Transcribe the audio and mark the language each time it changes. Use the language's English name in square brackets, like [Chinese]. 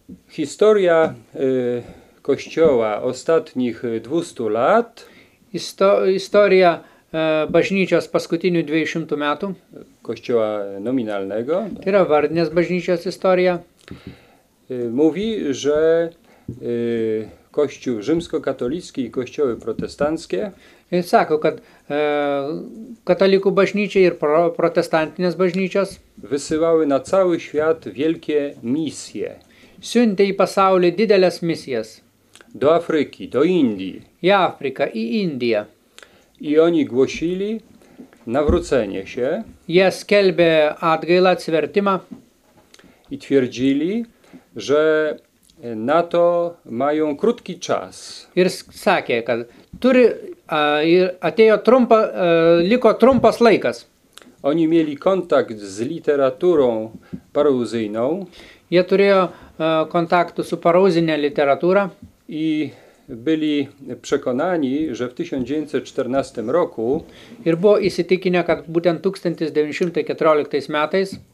[Polish] Historia kościoła ostatnich 200 lat. [Lithuanian] Historia bažnyčios paskutinių 200 metų. [Polish] Kościoła nominalnego. [Lithuanian] Tai yra vardinės bažnyčios istorija. [Polish] Mówi, że kościół rzymskokatolicki i kościoły protestanckie. [Lithuanian] Sako, kad katalikų bažnyčia ir protestantinės bažnyčios [Polish] wysyłały na cały świat wielkie misje. [Lithuanian] Siuntė į pasaulį didelės misijas. [Polish] Do Afryki, do Indii. [Lithuanian] I Afryka, i Indija. [Polish] I oni głosili nawrócenie się. [Lithuanian] Jie skelbė atgailą, atsivertimą. [Polish] I twierdzili, że na to mają krótki czas. [Lithuanian] Ir sakė, kad turi, atėjo trumpa, liko trumpas laikas. [Polish] Oni mieli kontakt z literaturą paruzyjną. [Lithuanian] Jie turėjo kontaktu su paruzinė literatūra. [Polish] I byli przekonani, że w 1914 roku [Lithuanian] ir buvo įsitikinę, kad būtent 1914 metais